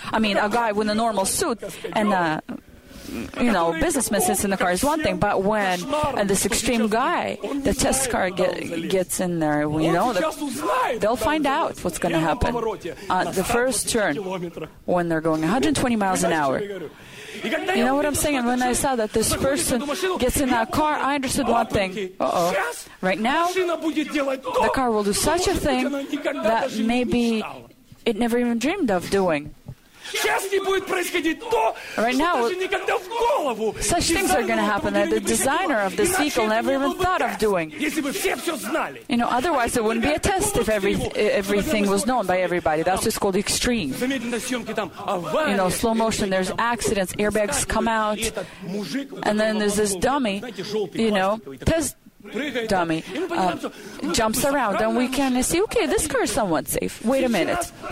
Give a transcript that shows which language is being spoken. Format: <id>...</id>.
<en>I mean, a guy with a normal suit and a, you know, businessman sits in the car is one thing, but when this extreme guy, the test car gets in there, we know that they'll find out what's going to happen on the first turn when they're going 120 miles an hour. You know what I'm saying? When I saw that this person gets in that car, I understood one thing. Uh-oh. Right now, the car will do such a thing that maybe it never even dreamed of doing.</en> <ru>Сейчас не будет происходить то, что даже никогда в голову.</ru> <en>Such things are going to happen that the designer of this vehicle never even thought of doing.</en> <ru>Если бы все все знали.</ru> <en>You know, otherwise it wouldn't be a test if everything was known by everybody. That's just called extreme. You know, slow motion, there's accidents, airbags come out, and then there's this dummy, you know, test dummy, jumps around, and we can see, okay, this car is somewhat safe. Wait a minute.</en>